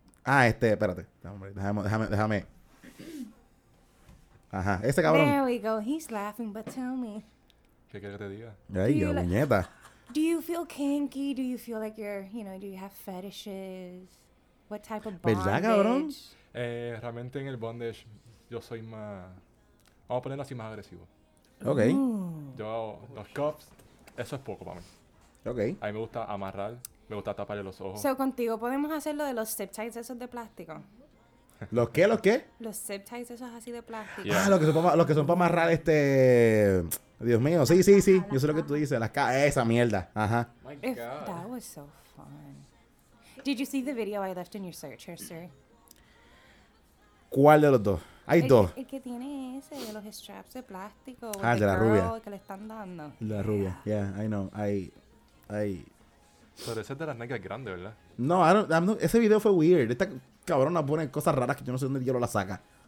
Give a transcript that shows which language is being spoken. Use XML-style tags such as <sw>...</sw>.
<es>Ah, espérate. Déjame. Ajá, ese cabrón.</es> <en>There we go. He's laughing, but tell me.</en> <es>¿Qué quieres que te diga? Ay, yo, muñeta.</es> <en>Do you feel kinky? Do you feel like you're, you know, do you have fetishes? What type of bondage?</en> <es>¿Verdad, cabrón? Realmente en el bondage yo soy más, vamos a ponerlo así, más agresivo.</es> <en>Ok.</en> <es>Yo hago los cuffs, eso es poco para mí.</es> <en>Ok.</en> <es>A mí me gusta amarrar. Me gusta taparle los ojos. So, contigo podemos hacer lo de los zip ties esos de plástico. ¿Los qué? ¿Los qué? Los zip ties esos así de plástico. Yeah. Ah, los que son para amarrar este... Dios mío. Sí, sí, sí. Yo sé lo que tú dices. Las esa mierda. Ajá.</es> <en>My God. That was so fun. Did you see the video I left in your searcher, sir?</en> <es>¿Cuál de los dos? Hay dos. El que tiene ese de los straps de plástico. Ah, de la rubia. Que le están dando. La rubia.</es> <en>Yeah, I know. I...</en> <es>Pero ese es de las nalgas grandes, ¿verdad?</es> <en>No, I don't,</en> <es>ese video fue</es> <en>weird.</en> <es>Esta cabrona pone cosas raras que yo no sé dónde yo la saca.</es>